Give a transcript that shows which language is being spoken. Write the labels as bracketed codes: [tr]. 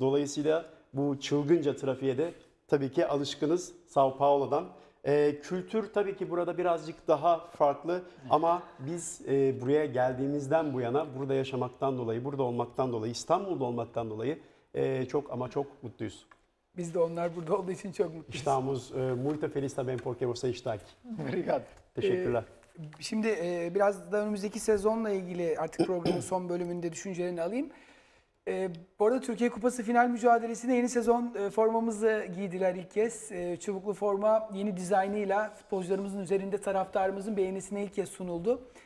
[tr] Dolayısıyla bu çılgınca trafiğe de tabii ki alışkınız São Paulo'dan. Kültür tabii ki burada birazcık daha farklı ama biz buraya geldiğimizden bu yana burada yaşamaktan dolayı, burada olmaktan dolayı, İstanbul'da olmaktan dolayı çok ama çok mutluyuz. Biz de onlar burada olduğu için çok mutluyuz. [pt] Estamos muito felizes também porque você está aqui. Obrigado. [tr] Teşekkürler. Şimdi biraz da önümüzdeki sezonla ilgili artık programın son bölümünde düşüncelerini alayım. Bu arada Türkiye Kupası final mücadelesinde yeni sezon formamızı giydiler ilk kez. Çubuklu forma yeni dizaynıyla futbolcularımızın üzerinde taraftarımızın beğenisine ilk kez sunuldu.